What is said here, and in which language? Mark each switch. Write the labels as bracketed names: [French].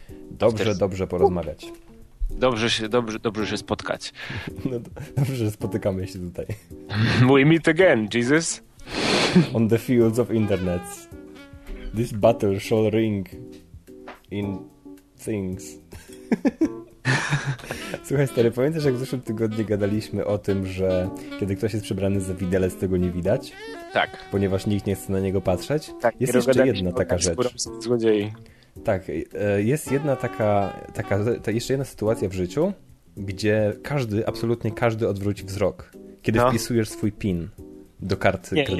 [Polish] Dobrze, dobrze porozmawiać. Dobrze się spotkać. No, dobrze, że spotykamy się tutaj. [English] We meet again, Jesus. On the fields of internet. This battle shall ring in things. [Polish] Słuchaj, stary, pamiętasz, jak w zeszłym tygodniu gadaliśmy o tym, że kiedy ktoś jest przebrany za widelec, tego nie widać? Tak. Ponieważ nikt nie chce na niego patrzeć? Tak, jest jeszcze jedna taka rzecz. Złodziei. Tak, jest jedna jeszcze jedna sytuacja w życiu, gdzie każdy, absolutnie każdy odwróci wzrok, kiedy wpisujesz swój PIN do karty kredytowej.